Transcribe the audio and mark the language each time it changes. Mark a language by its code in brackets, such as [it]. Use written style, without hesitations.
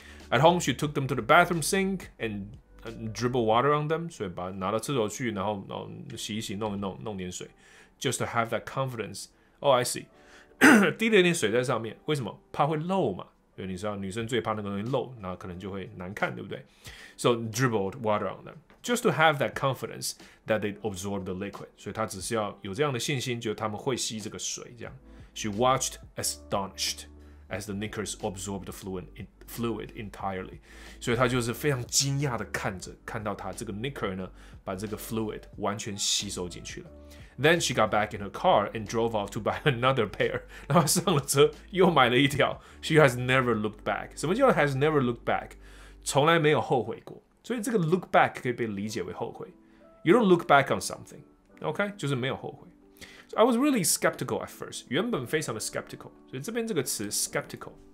[en] At home, she took them to the bathroom sink and dribble water on them. [zh] 所以把拿到厕所去，然后洗一洗，弄一弄，弄点水。 [en] Just to have that confidence. Oh, I see. [zh] 滴了点水在上面，为什么？怕会漏嘛。因为你知道女生最怕那个东西漏，那可能就会难看，对不对 ？ [en] So dribbled water on them, just to have that confidence that they absorb the liquid. [zh] 所以她只是要有这样的信心，就是他们会吸这个水。 [en] 这样 ，She watched astonished as the knickers absorbed the fluid entirely. [zh] 所以她就是非常惊讶的看着，看到她这个 knicker 呢，把这个 fluid 完全吸收进去了。 [en] Then she got back in her car and drove off to buy another pair. [zh] 然后上了车又买了一条。 [en] She has never looked back. [zh] 什么叫 [en] has never looked back? [zh] 从来没有后悔过。所以这个 look back 可以被理解为后悔。 [en] You don't look back on something. Okay? [zh] 就是没有后悔。 [en] So、I was really skeptical at first. [zh] 原本非常的 [en] skeptical. [zh] 所以这边这个词 [en] skeptical.